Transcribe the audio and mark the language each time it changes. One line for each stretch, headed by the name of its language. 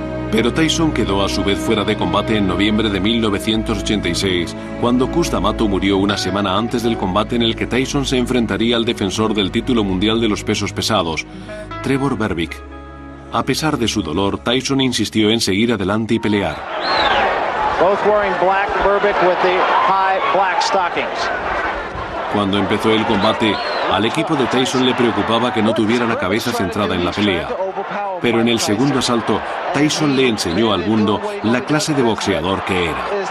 Spanish: Pero Tyson quedó a su vez fuera de combate en noviembre de 1986, cuando Cus D'Amato murió una semana antes del combate en el que Tyson se enfrentaría al defensor del título mundial de los pesos pesados, Trevor Berbick. A pesar de su dolor, Tyson insistió en seguir adelante y pelear.
English: Both wearing black, Berbick with the high black stockings.
Spanish: Cuando empezó el combate, al equipo de Tyson le preocupaba que no tuviera la cabeza centrada en la pelea. Pero en el segundo asalto, Tyson le enseñó al mundo la clase de boxeador que era.